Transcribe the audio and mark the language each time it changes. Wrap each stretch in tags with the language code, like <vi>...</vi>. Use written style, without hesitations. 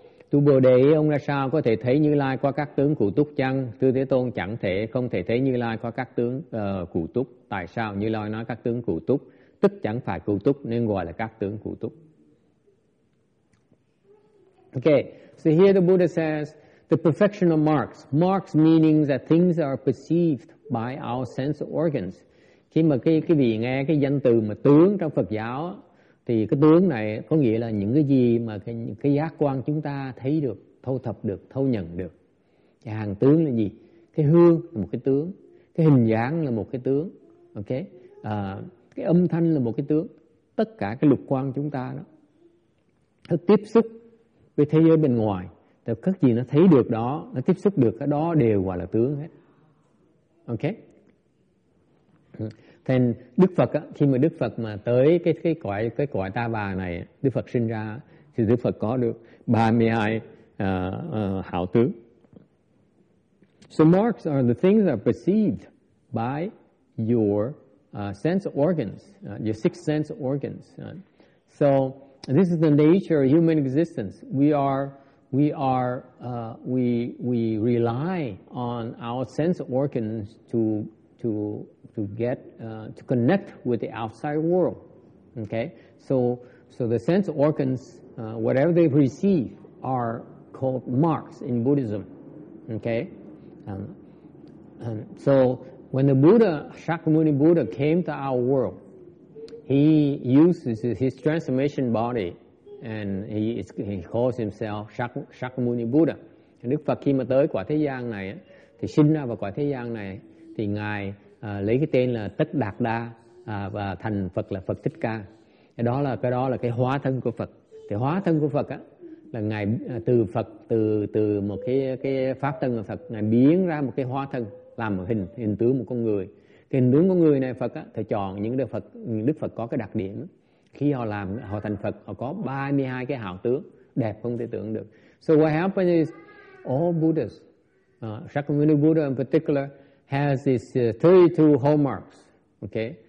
<vi>Tu Bồ Đề, ông ra sao có thể thấy Như Lai qua các tướng cụ túc chăng? Tư Thế Tôn chẳng thể, không thể thấy Như Lai qua các tướng cụ túc. Tại sao Như Lai nói các tướng cụ túc? Tức chẳng phải cụ túc nên gọi là các tướng cụ túc.</vi> <en>Okay, so here the Buddha says, the perfection of marks. Marks meaning that things are perceived by our sense organs.</en> <vi>Khi mà cái vị nghe cái danh từ mà tướng trong Phật giáo, thì cái tướng này có nghĩa là những cái gì mà cái giác quan chúng ta thấy được, thâu thập được, thâu nhận được. Cái hàng tướng là gì? Cái hương là một cái tướng. Cái hình dáng là một cái tướng. Ok? Cái âm thanh là một cái tướng. Tất cả cái lục quan chúng ta đó, nó tiếp xúc với thế giới bên ngoài. Thì các gì nó thấy được đó, nó tiếp xúc được cái đó đều gọi là tướng hết. Ok? Thì Đức Phật á, khi mà Đức Phật mà tới cái cõi ta bà này, Đức Phật sinh ra thì Đức Phật có được 32 hảo tướng.</vi> <en>So marks are the things that are perceived by your sense organs, your six sense organs. So this is the nature of human existence. We rely on our sense organs to connect with the outside world, okay? So the sense organs, whatever they receive, are called marks in Buddhism, okay? So when the Buddha, Shakyamuni Buddha, came to our world, he uses his transformation body, and he calls himself Shakyamuni Buddha.</en> <vi>And Đức Phật khi mà tới quả thế gian này, thì sinh ra vào quả thế gian này, thì Ngài lấy cái tên là Tất Đạt Đa và thành Phật là Phật Thích Ca. Cái đó là cái hóa thân của Phật. Thì hóa thân của Phật á là Ngài từ Phật từ một cái pháp thân của Phật, Ngài biến ra một cái hóa thân làm một hình tướng một con người. Cái hình tướng của người này Phật á, thì chọn những đức Phật có cái đặc điểm. Khi họ làm họ thành Phật, họ có 32 cái hảo tướng đẹp không thể tưởng được.</vi> <en>So what happens is all Buddhas, Shakyamuni Buddha in particular, has this 32 hallmarks, okay?</en>